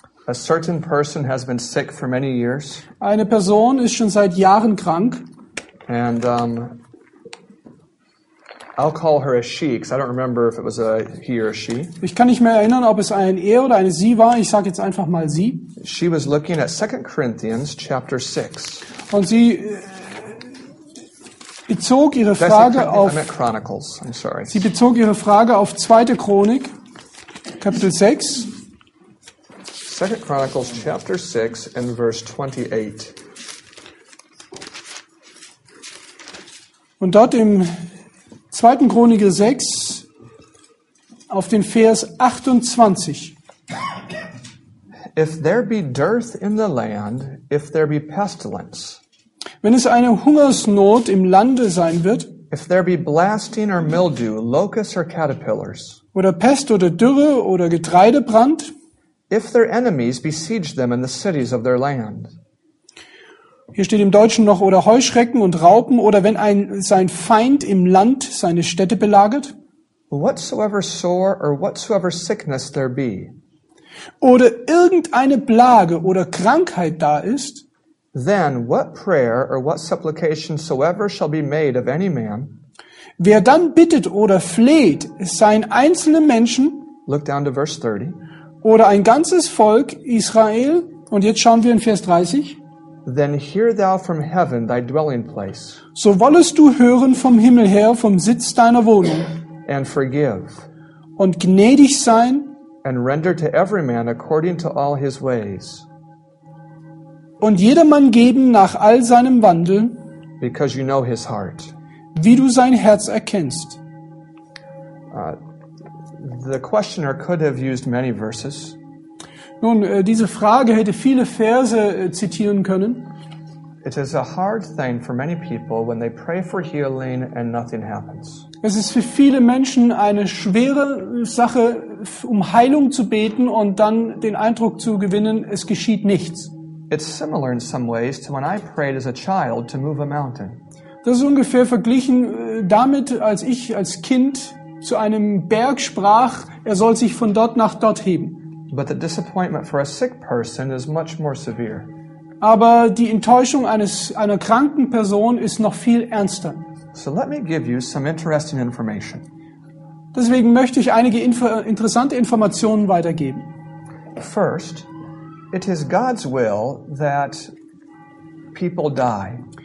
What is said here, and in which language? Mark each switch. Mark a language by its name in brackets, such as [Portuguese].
[English] A certain person has been sick for many years. [German] Eine Person ist schon seit Jahren krank. [English] And I'll call her a she, because I don't remember if it was a he or a she. [German] Ich kann nicht mehr erinnern, ob es ein er oder eine sie war. Ich sage jetzt einfach mal sie. [English] She was looking at 2 Corinthians chapter 6. [German] Und sie bezog ihre Frage auf. [English] Chronicles. I'm sorry. [German] Sie bezog ihre Frage auf 2. Chronik, Kapitel 6. [English] 2 Chronicles chapter 6 and verse 28. [German] Und dort im 2. Chronik 6 auf den Vers 28. [English] If there be dearth in the land, if there be pestilence. [German] Wenn es eine Hungersnot im Lande sein wird, [English] if there be blasting or mildew, locusts or caterpillars, [German] oder Pest oder Dürre oder Getreidebrand, [English] if their enemies besiege them in the cities of their land. [German] Hier steht im Deutschen noch, oder Heuschrecken und Raupen, oder wenn sein Feind im Land seine Städte belagert, [English] whatsoever sore or whatsoever sickness there be, [German] oder irgendeine Plage oder Krankheit da ist, [English] then what prayer or what supplication soever shall be made of any man, [German] wer dann bittet oder fleht, seien einzelne Menschen, [English] look down to verse 30, [German] oder ein ganzes Volk Israel, und jetzt schauen wir in Vers 30, [English] then hear thou from heaven thy dwelling place, [German] so wollest du hören vom Himmel her, vom Sitz deiner Wohnung, [English] and forgive, [German] und gnädig sein, [English] and render to every man according to all his ways, [German] und jedermann geben nach all seinem Wandel, [English] because you know his heart, [German] wie du sein Herz erkennst. [English] The questioner could have used many verses. [German] Nun, diese Frage hätte viele Verse zitieren können. [English] It is a hard thing for many people when they pray for healing and nothing happens. [German] Es ist für viele Menschen eine schwere Sache, um Heilung zu beten und dann den Eindruck zu gewinnen, es geschieht nichts. [English] It's similar in some ways to when I prayed as a child to move a mountain. [German] Das ist ungefähr verglichen damit, als ich als Kind zu einem Berg sprach, er soll sich von dort nach dort heben. [English] But the disappointment for a sick person is much more severe. [German] Aber die Enttäuschung einer kranken Person ist noch viel ernster. [English] So let me give you some interesting information. [German] Deswegen möchte ich einige interessante Informationen weitergeben. [English] First, it is God's will that people die.